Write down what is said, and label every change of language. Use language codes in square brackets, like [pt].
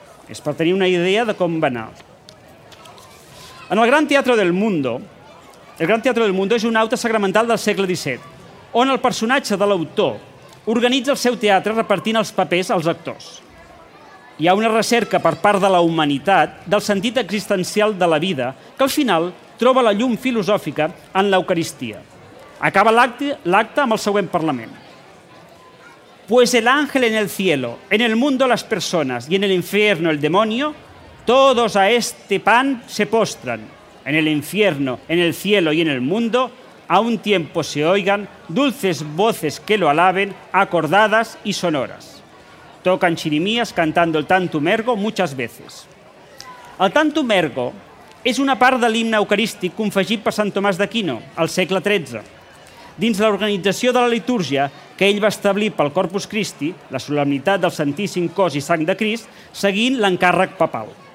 [ca] És per tenir una idea de com va anar. En el Gran Teatre del Mundo, el Gran Teatre del Mundo és un aute sacramental del segle XVII, on el personatge de l'autor organitza el seu teatre repartint els papers als actors. Hi ha una recerca per part de la humanitat del sentit existencial de la vida que al final troba la llum filosòfica en l'Eucaristia. Acaba l'acte amb el següent parlament. [es] Pues el ángel en el cielo, en el mundo las personas y en el infierno el demonio, todos a este pan se postran. En el infierno, en el cielo y en el mundo, a un tiempo se oigan dulces voces que lo alaben, acordadas y sonoras. Tocan chirimías cantando el Tantum Ergo muchas veces. [ca] El Tantum Ergo és una part de l'himne eucarístic confegit per Sant Tomàs d'Aquino, al segle XIII. Dins l'organització de la litúrgia que ell va establir pel Corpus Christi, la solemnitat del Santíssim Cos i Sang de Crist, seguint l'encàrrec papal.